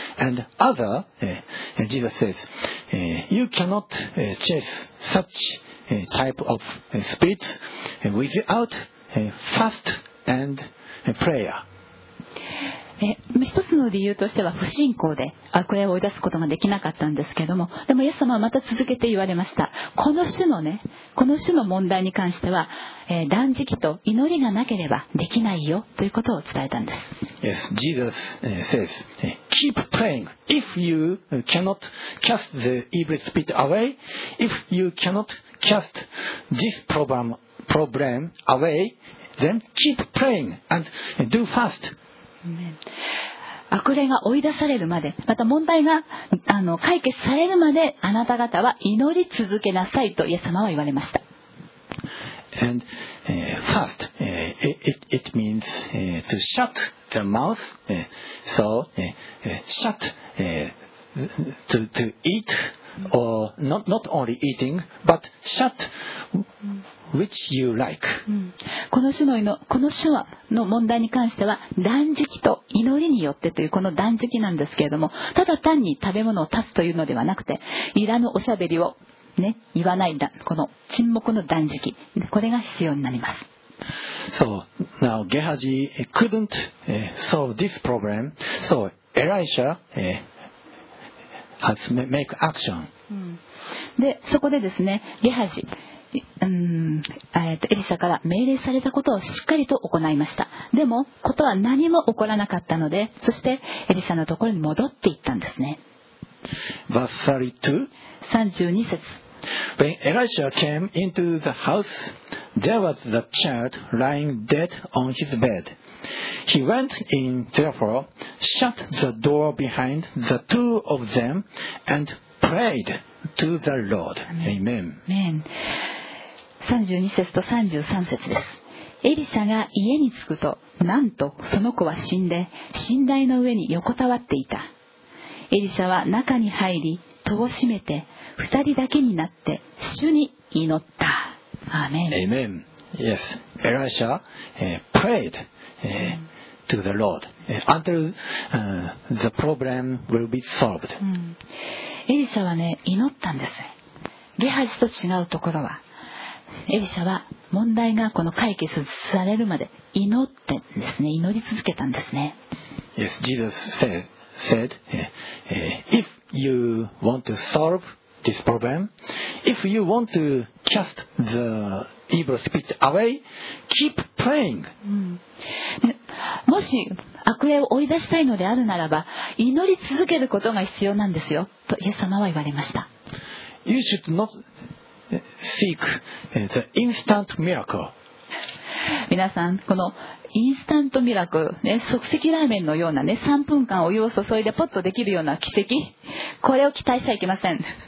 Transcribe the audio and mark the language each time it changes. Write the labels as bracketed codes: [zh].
[en] And other, Jesus says, you cannot chase such type of spirits without fast and prayer. [ja] 一つの理由としては不信仰で悪霊を追い出すことができなかったんですけども、でもイエス様はまた続けて言われました。この種のね、この種の問題に関しては、断食と祈りがなければできないよということを伝えたんです。 [en] Yes, Jesus says, keep praying. If you cannot cast the evil spirit away, if you cannot cast this problem away, then keep praying and do fast. [ja] 悪霊が追い出されるまで、また問題が解決されるまで、あなた方は祈り続けなさいとイエス様は言われました。 [en] And fast it means to shut the mouth, so shut to eat or not only eating but shutWhich you like. [ja] この種の問題に関しては断食と祈りによってというこの断食なんですけれども、ただ単に食べ物を断つというのではなくて、いらぬおしゃべりを、ね、言わないんだ、この沈黙の断食、これが必要になります。 [en] So now Gehazi couldn't solve this problem, so Elisha has make action. [ja] でそこでですね、ゲハジエリシャから命令されたことをしっかりと行いました。でもことは何も起こらなかったので、そしてエリシャのところに戻っていったんですね。 [en] Verse [ja] 32節。 [en] When Elisha came into the house, there was the child lying dead on his bed. He went in therefore, shut the door behind the two of them, and prayed to the Lord. Amen. [ja] Amen. 32節と33節です。エリシャが家に着くと、なんとその子は死んで寝台の上に横たわっていた。エリシャは中に入り戸を閉めて、二人だけになって主に祈った。アーメン。 [en] Amen. Yes, Elisha prayed to the Lord until the problem will be solved. [ja] エリシャはね、祈ったんです。ゲハジと違うところは、エリシャは問題がこの解決されるまで祈ってですね、祈り続けたんですね。 [en] Yes, Jesus said, if you want to solve this problem, if you want to cast the evil spirit away, keep praying.、 [ja] もし悪霊を追い出したいのであるならば、祈り続けることが必要なんですよとイエス様は言われました。 [en] You should notSeek the instant miracle. [ja] 皆さん、このインスタントミラクル、ね、即席ラーメンのようなね、3分間お湯を注いでポッとできるような奇跡、これを期待しちゃいけません。